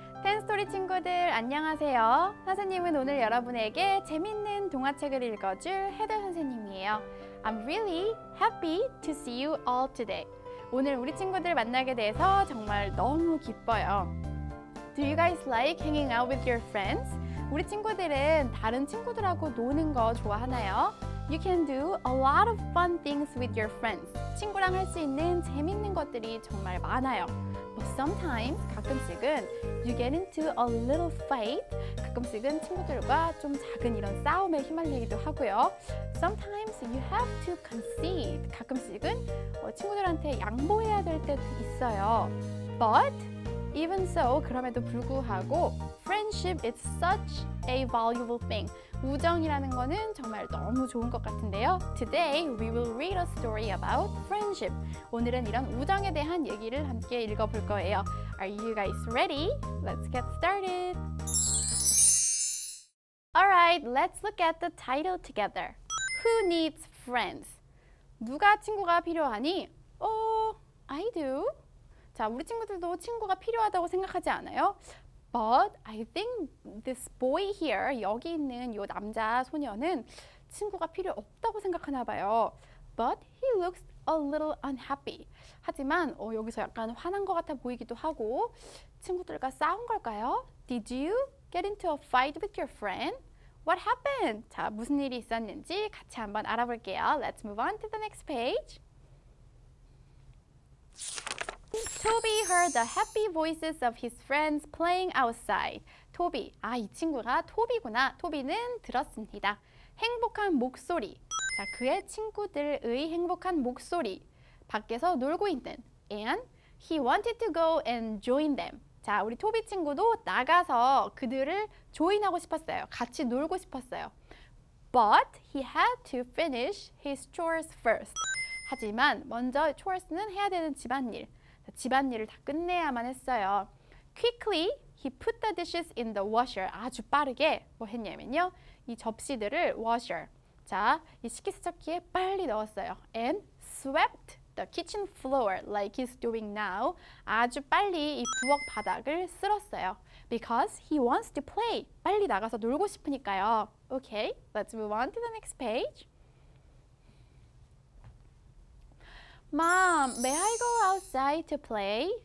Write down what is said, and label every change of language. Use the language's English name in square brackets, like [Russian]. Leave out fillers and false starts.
[Korean] 10스토리 친구들, 안녕하세요. 선생님은 오늘 여러분에게 재밌는 동화책을 읽어줄 헤더 선생님이에요. [English] I'm really happy to see you all today. [Korean] 오늘 우리 친구들 만나게 돼서 정말 너무 기뻐요. [English] Do you guys like hanging out with your friends? [Korean] 우리 친구들은 다른 친구들하고 노는 거 좋아하나요? [English] You can do a lot of fun things with your friends. [Korean] 친구랑 할 수 있는 재밌는 것들이 정말 많아요. [English] But sometimes, [Korean] 가끔씩은 [English] you get into a little fight. [Korean] 가끔씩은 친구들과 좀 작은 이런 싸움에 휘말리기도 하고요. [English] Sometimes you have to concede. [Korean] 가끔씩은 친구들한테 양보해야 될 때도 있어요. [English] But even so, [Korean] 그럼에도 불구하고 [English] friendship is such a valuable thing. [Korean] 우정이라는 거는 정말 너무 좋은 것 같은데요. [English] Today we will read a story about friendship. [Korean] 오늘은 이런 우정에 대한 얘기를 함께 읽어볼 거예요. [English] Are you guys ready? Let's get started. Alright, let's look at the title together. Who needs friends? [Korean] 누가 친구가 필요하니? [English] I do. [Korean] 자, 우리 친구들도 친구가 필요하다고 생각하지 않아요? [English] But I think this boy here, [Korean] 여기 있는 요 남자 소녀는 친구가 필요 없다고 생각하나 봐요. [English] But he looks a little unhappy. [Korean] 하지만 여기서 약간 화난 것 같아 보이기도 하고 친구들과 싸운 걸까요? [English] Did you get into a fight with your friend? What happened? [Korean] 자, 무슨 일이 있었는지 같이 한번 알아볼게요. [English] Let's move on to the next page. Toby heard the happy voices of his friends playing outside. [Korean] Toby, 아, 이 친구가 토비구나. 토비는 들었습니다. 행복한 목소리, 자, 그의 친구들의 행복한 목소리, 밖에서 놀고 있는. [English] And he wanted to go and join them. [Korean] 자, 우리 토비 친구도 나가서 그들을 조인하고 싶었어요. 같이 놀고 싶었어요. [English] But he had to finish his chores first. [Korean] 하지만 먼저 chores는 해야 되는 집안일. 집안일을 다 끝내야만 했어요. [English] Quickly, he put the dishes in the washer. [Korean] 아주 빠르게 뭐 했냐면요. 이 접시들을 washer. 자, 이 식기세척기에 빨리 넣었어요. [English] And swept the kitchen floor like he's doing now. [Korean] 아주 빨리 이 부엌 바닥을 쓸었어요. [English] Because he wants to play. [Korean] 빨리 나가서 놀고 싶으니까요. [English] Okay, let's move on to the next page. Mom, may I go outside to play?